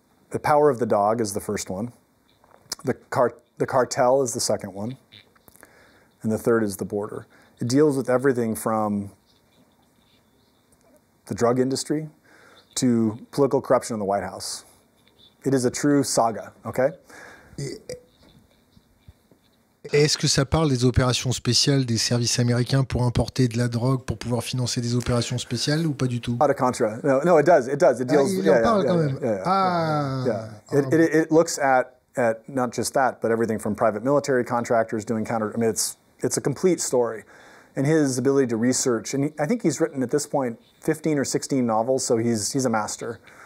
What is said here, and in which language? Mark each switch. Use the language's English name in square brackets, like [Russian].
[English] The Power of the Dog is the first one. The Cartel is the second one. And the third is The Border. It deals with everything from the drug industry to political corruption in the White House. It is a true saga, okay? [French] Est-ce que ça parle des opérations spéciales des services américains pour importer de la drogue pour pouvoir financer des opérations spéciales ou pas du tout? [English] Out of Contra. No, it does. It does. It deals. [French] Ah, il en parle quand même. [English] It looks at not just that, but everything from private military contractors doing counter. I mean, it's a complete story, and his ability to research. And I think he's written at this point 15 or 16 novels, so he's a master.